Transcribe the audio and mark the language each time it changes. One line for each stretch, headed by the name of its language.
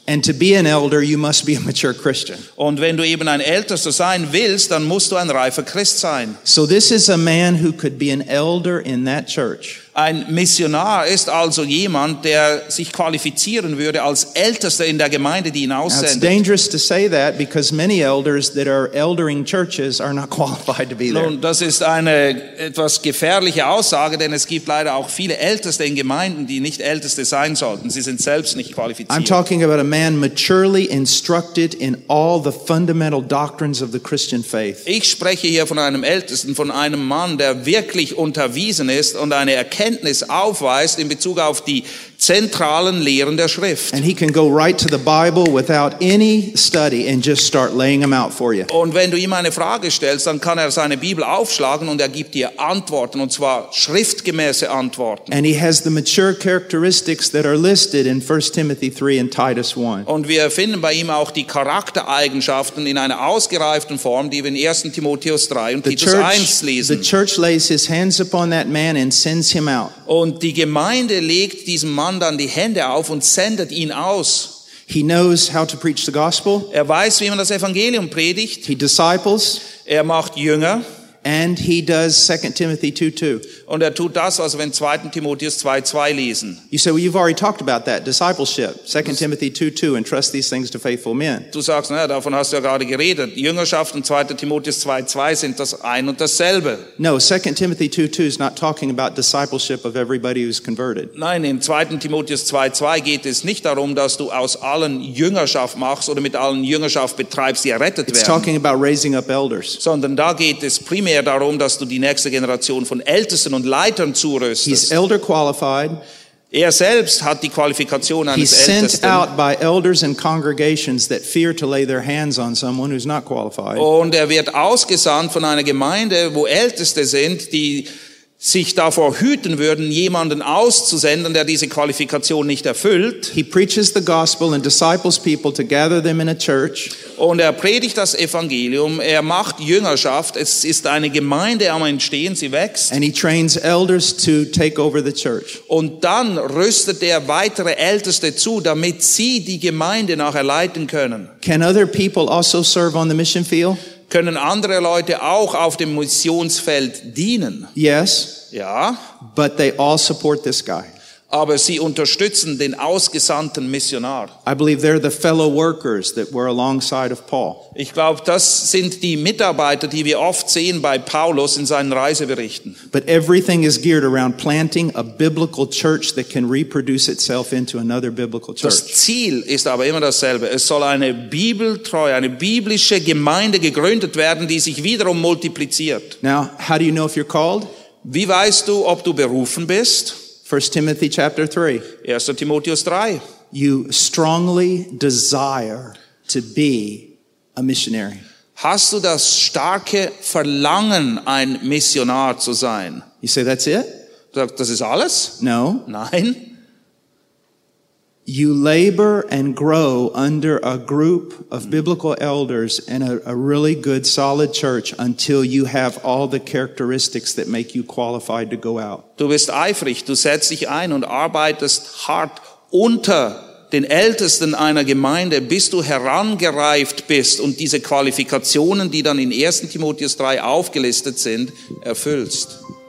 English: And to be an elder, you must be a mature Christian.
German: Und wenn du eben ein Ältester sein willst, dann musst du ein reifer Christ sein.
English: So this is a man who could be an elder in that church.
German: Ein Missionar ist also jemand, der sich qualifizieren würde als Ältester in der Gemeinde, die ihn aussendet.
English: Now it's dangerous to say that because many elders that are eldering churches are not qualified to be there.
German: Nun, das ist eine etwas gefährliche Aussage, denn es gibt leider auch viele Älteste in Gemeinden, die nicht Älteste sein sollten. Sie sind selbst nicht qualifiziert.
English: I'm talking about a man maturely instructed in all the fundamental doctrines of the Christian faith.
German: Ich spreche hier von einem Ältesten, von einem Mann, der wirklich unterwiesen ist und eine Erkenntnis aufweist in Bezug auf die zentralen Lehren der Schrift.
English: And he can go right to the Bible without any study and just start laying them out for you.
German: Und wenn du ihm eine Frage stellst, dann kann er seine Bibel aufschlagen und er gibt dir Antworten, und zwar schriftgemäße Antworten.
English: And he has the mature characteristics that are listed in 1 Timothy 3 and Titus 1.
German: Und wir finden bei ihm auch die Charaktereigenschaften in einer ausgereiften Form, die wir in 1. Timotheus 3 und Titus 1 lesen.
English: The church lays his hands upon that man and sends him out.
German: Und die Gemeinde legt diesem Mann dann die Hände auf und sendet ihn aus.
English: He knows how to preach the gospel.
German: Er weiß, wie man das Evangelium predigt.
English: He disciples.
German: Er macht Jünger.
English: And he does 2 Timothy 2:2.
German: Und er tut das, was wir in 2. Timotheus 2:2 lesen.
English: You say, well, you've already talked about that discipleship. 2 Timothy 2:2, entrust these things to faithful men.
German: Du sagst, naja, davon hast du ja gerade geredet. Jüngerschaft und 2. Timotheus 2:2 sind das ein und dasselbe.
English: No, 2 Timothy 2:2 is not talking about discipleship of everybody who's converted.
German: Nein, in 2. Timotheus 2:2 geht es nicht darum, dass du aus allen Jüngerschaft machst oder mit allen Jüngerschaft betreibst, die errettet
English: It's
German: werden.
English: It's talking about raising up elders.
German: Sondern da geht es primär darum, dass du die nächste Generation von Ältesten und Leitern zurüstest.
English: He's elder qualified.
German: Er selbst hat die Qualifikation eines Ältesten.
English: He's sent out by elders and congregations that fear to lay their hands on someone who's not qualified.
German: Und er wird ausgesandt von einer Gemeinde, wo Älteste sind, die sich davor hüten würden, jemanden auszusenden, der diese Qualifikation nicht erfüllt.
English: He preaches the gospel and disciples people to gather them in a church.
German: Und er predigt das Evangelium, er macht Jüngerschaft, es ist eine Gemeinde am Entstehen, sie wächst.
English: And he trains elders to take over the church.
German: Und dann rüstet er weitere Älteste zu, damit sie die Gemeinde nachher leiten können.
English: Can other people also serve on the mission field?
German: Können andere Leute auch auf dem Missionsfeld dienen?
English: Yes.
German: Ja.
English: But they all support this guy.
German: aber sie unterstützen den ausgesandten Missionar.
English: I believe they're the fellow workers that were alongside of Paul.
German: Ich glaube, das sind die Mitarbeiter, die wir oft sehen bei Paulus in seinen Reiseberichten.
English: But everything is geared around planting a biblical church that can reproduce itself into another biblical church.
German: Das Ziel ist aber immer dasselbe. Es soll eine bibeltreue, eine biblische Gemeinde gegründet werden, die sich wiederum multipliziert.
English: Now, how do you know if you're called?
German: Wie weißt du, ob du berufen bist?
English: 1 Timothy chapter 3.
German: 1. Timotheus 3.
English: You strongly desire to be a missionary.
German: Hast du das starke Verlangen, ein Missionar zu sein?
English: You say that's it?
German: Das ist alles?
English: No.
German: Nein.
English: You labor and grow under a group of biblical elders and a really good solid church until you have all the characteristics that make you qualified to go out.
German: Du bist eifrig, du setzt dich ein und arbeitest hart unter den Ältesten einer Gemeinde, bis du herangereift bist und diese Qualifikationen, die dann in 1. Timotheus 3 aufgelistet sind, erfüllst.